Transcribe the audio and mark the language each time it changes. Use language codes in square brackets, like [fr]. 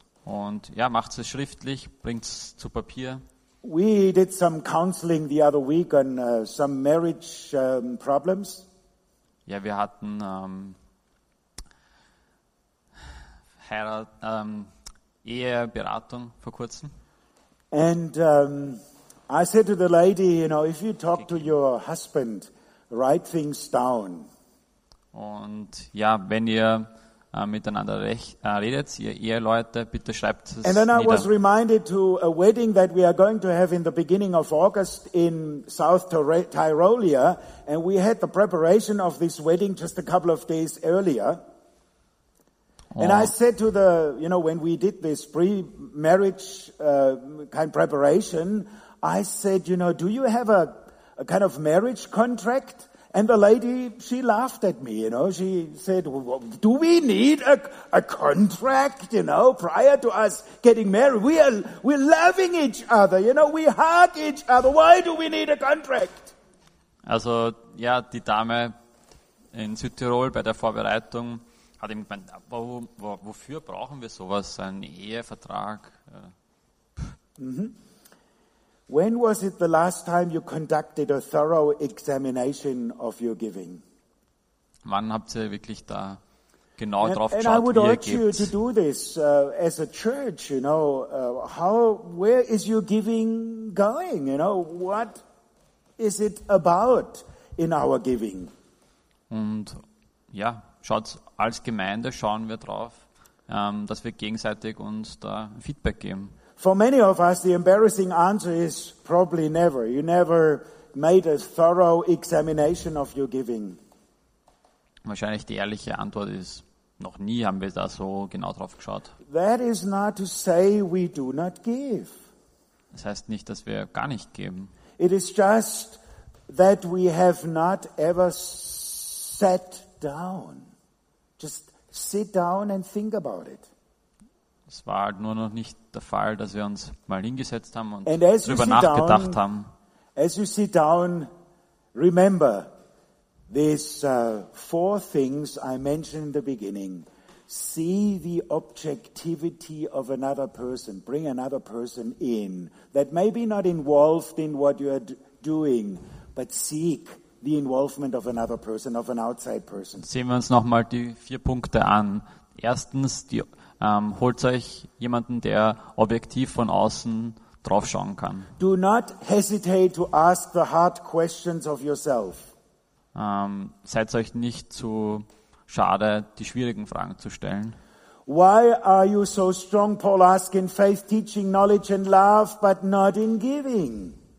[de] Und ja, macht es schriftlich, bringt es zu Papier. [en] We did some counseling the other week on some marriage problems. [de] Ja, wir hatten Eheberatung vor kurzem. [en] And I said to the lady, you know, if you talk to your husband, write things down. [de] Und ja, wenn ihr miteinander redet, ihr Eheleute, bitte schreibt es nieder. [en] And then I was reminded to a wedding that we are going to have in the beginning of August in South Tyrolia, and we had the preparation of this wedding just a couple of days earlier. And I said to the, you know, when we did this pre-marriage kind of preparation, I said, you know, do you have a kind of marriage contract? And the lady, she laughed at me, you know. She said, well, do we need a contract, you know, prior to us getting married? We're loving each other, you know, we hug each other. Why do we need a contract? [de] Also, ja, die Dame in Südtirol bei der Vorbereitung hat ihm gemeint, wofür brauchen wir sowas, einen Ehevertrag? [en] When was it the last time you conducted a thorough examination of your giving? [de] Wann habt ihr wirklich da genau drauf geschaut, wie ihr gebt? [en] And I would urge you to do this as a church, you know. Where is your giving going? You know, what is it about in our giving? [de] Und ja, schaut, als Gemeinde schauen wir drauf, dass wir gegenseitig uns da Feedback geben. [en] For many of us, the embarrassing answer is probably never. You never made a thorough examination of your giving. [de] Wahrscheinlich die ehrliche Antwort ist, noch nie haben wir da so genau drauf geschaut. [en] That is not to say we do not give. [de] Das heißt nicht, dass wir gar nicht geben. [en] It is just that we have not ever sat down. Just sit down and think about it. [de] Es war halt nur noch nicht der Fall, dass wir uns mal hingesetzt haben und darüber nachgedacht haben. [en] As you sit down, remember these four things I mentioned in the beginning. See the objectivity of another person. Bring another person in that may be not involved in what you are doing, but seek the involvement of another person, of an outside person. [de] Sehen wir uns nochmal die vier Punkte an. Erstens, holt euch jemanden, der objektiv von außen drauf schauen kann. [en] Do not hesitate to ask the hard questions of yourself. [de] Seid euch nicht zu schade, die schwierigen Fragen zu stellen. [en] Why are you so strong, Paul asks, in faith, teaching, knowledge and love, but not in giving?